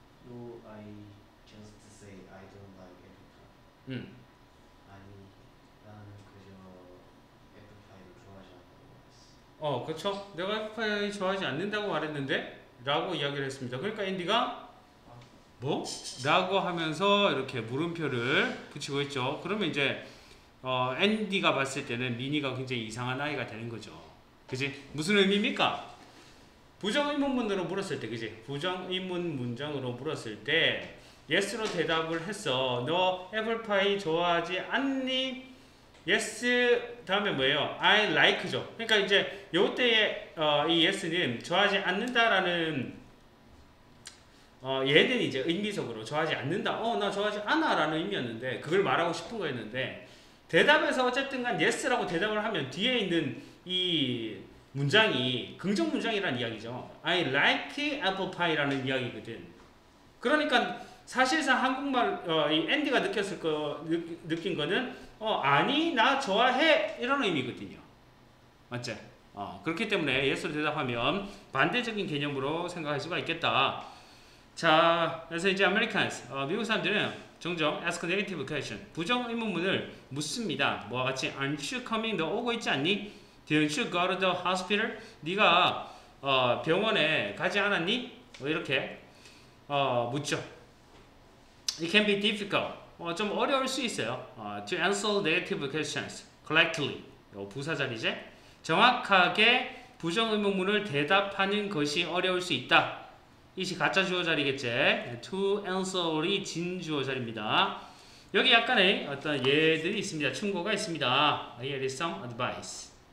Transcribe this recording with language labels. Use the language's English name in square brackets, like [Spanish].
[English] No, I just say I don't like apple pie. [Korean] 아니, 나는 그저 apple pie를 좋아하지 않는다고 말했어. 그렇죠. 내가 apple pie 좋아하지 않는다고 말했는데라고 이야기를 했습니다. 그러니까 앤디가 뭐? 라고 하면서 이렇게 물음표를 붙이고 있죠. 그러면 이제 앤디가 봤을 때는 미니가 굉장히 이상한 아이가 되는 거죠. 그지? 무슨 의미입니까? 부정의문문으로 물었을 때, 그지? 부정의문 문장으로 물었을 때 예스로 대답을 했어. 너 애플파이 좋아하지 않니? 예스 다음에 뭐예요? [English] I like [Korean] 죠. 그러니까 이제 요때의 이 예스는 좋아하지 않는다라는 얘는 이제 의미적으로 좋아하지 않는다. 나 좋아하지 않아 라는 의미였는데, 그걸 말하고 싶은 거였는데, 대답에서 어쨌든 간 yes라고 대답을 하면 뒤에 있는 이 문장이 긍정 문장이라는 이야기죠. [English] I like apple pie 라는 이야기거든. [Korean] 그러니까 사실상 한국말, 앤디가 느낀 거는, 아니, 나 좋아해. 이런 의미거든요. 맞지? 그렇기 때문에 yes로 대답하면 반대적인 개념으로 생각할 수가 있겠다. 자, 그래서 이제 Americans, 미국 사람들은 종종 [English] ask negative question, [Korean] 부정의문문을 묻습니다. [English] 뭐와 같이 aren't you coming? [Korean] 너 오고 있지 않니? [English] Didn't you go to the hospital? [Korean] 네가 병원에 가지 않았니? 이렇게 묻죠. [English] It can be difficult, [Korean] 좀 어려울 수 있어요. [English] To answer negative questions correctly, [Korean] 이거 부사자리제. 정확하게 부정의문문을 대답하는 것이 어려울 수 있다. 이시 가짜 주어자리겠지. To answer이 진 주어자리입니다. 여기 약간의 어떤 예들이 있습니다. 충고가 있습니다. [English] Here is some advice.